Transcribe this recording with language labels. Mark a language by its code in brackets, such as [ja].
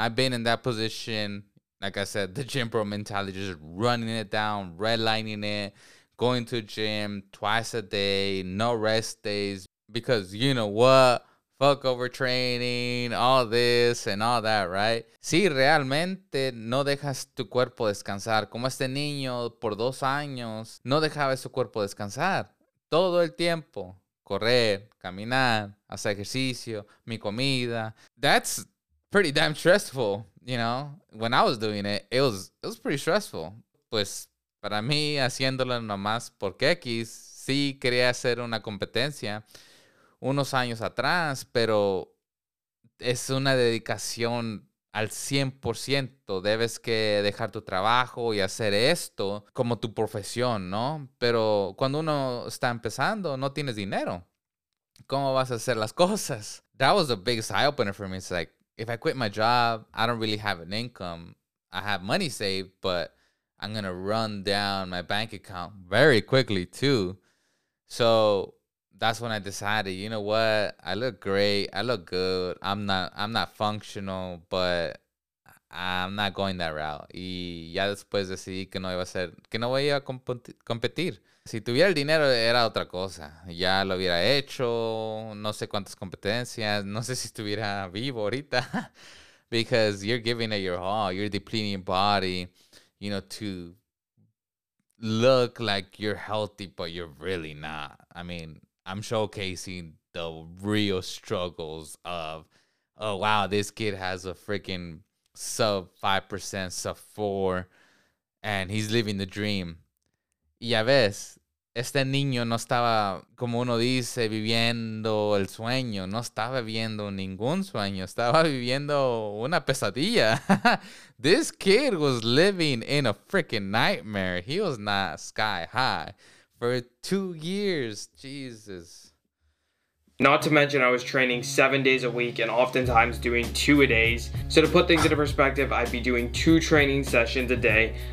[en] I've been in that position, like I said, the gym bro mentality, just running it down, redlining it, going to gym twice a day, no rest days, because you know what? Fuck overtraining, all this and all that, right? [es] Sí, realmente no dejas tu cuerpo descansar. Como este niño por 2 años no dejaba su cuerpo descansar. Todo el tiempo. Correr, caminar, hacer ejercicio, mi comida. [en] That's pretty damn stressful, you know? When I was doing it was pretty stressful. [es] Pues para mí, haciéndolo nomás porque X, sí quería hacer una competencia unos años atrás, pero es una dedicación al 100%. Debes que dejar tu trabajo y hacer esto como tu profesión, ¿no? Pero cuando uno está empezando, no tienes dinero. ¿Cómo vas a hacer las cosas? [en] That was the biggest eye-opener for me. It's like, if I quit my job, I don't really have an income. I have money saved, but I'm going to run down my bank account very quickly, too. So that's when I decided, you know what? I look great. I look good. I'm not functional, but I'm not going that route. [es] Y ya después decidí que no iba a ser, que no voy a competir. Si tuviera el dinero, era otra cosa. Ya lo hubiera hecho. No sé cuántas competencias. No sé si estuviera vivo ahorita. [en] Because you're giving it your all. You're depleting your body, you know, to look like you're healthy, but you're really not. I mean, I'm showcasing the real struggles of, oh, wow, this kid has a freaking sub 5%, sub 4%, and he's living the dream. [es] Y ya ves, este niño no estaba, como uno dice, viviendo el sueño. No estaba viviendo ningún sueño. Estaba viviendo una pesadilla. [en] This kid was living in a freaking nightmare. He was not sky high. For 2 years, Jesus. Not to mention I was training 7 days a week and oftentimes doing 2-a-days. So to put things into perspective, I'd be doing 2 training sessions a day.